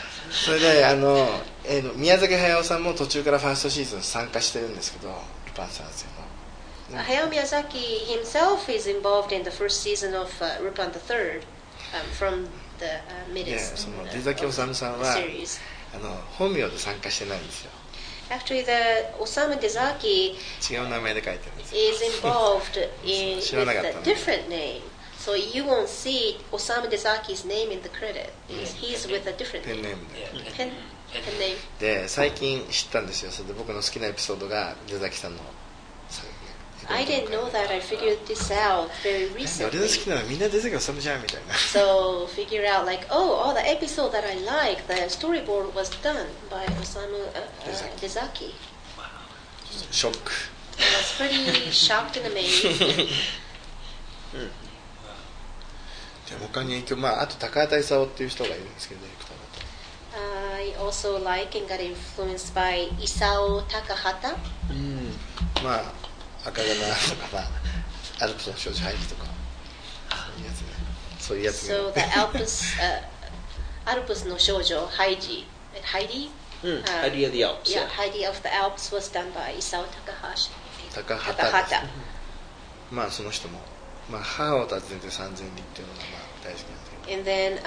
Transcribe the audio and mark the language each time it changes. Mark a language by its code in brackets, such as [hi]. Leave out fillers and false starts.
[ja] それで、あの、宮崎駿さんも途中からファーストシーズン参加してるんですけど、ルパン三世の。 [en] Hayao Miyazaki himself is involved in the first season of Lupin the Third, from the midst. [ja] Yeah, その出崎治さんは、あの、本名で参加してないんですよ。 [en] Actually, the Osamu Dezaki is involved in with a different name. So you won't see Osamu Dezaki's name in the credit. He's with a different name. Pen name. Pen name. [ja] で、最近知ったんですよ。それで僕の好きなエピソードが出崎さんの。 [en] I didn't know that. I figured this out very recently. [ja] 俺の好きなのはみんな出崎治じゃんみたいな。 [en] So figure out like, oh, all the episode that I like, the storyboard was done by Osamu Dezaki. Wow. Shock. I was pretty shocked and amazed. うん。 [ja] じゃあ他に影響、まああと高畑勲っていう人がいるんですけど、ディレクターだと。 [en] I also like and got influenced by Isao Takahata. [ja] まあ。赤毛のとか、まあ、アルプスの少女ハイジとかそういうやつね。 [en] So the Alps, アルプスの少女ハイジ、ハイディ？ハイディ of the Alps. Yeah, ハイディ of the Alps was done by Isao Takahashi. Takahata. [ja] まあその人も、まあ母を訪ねて三千里っていうのがまあ大好きなんですけど。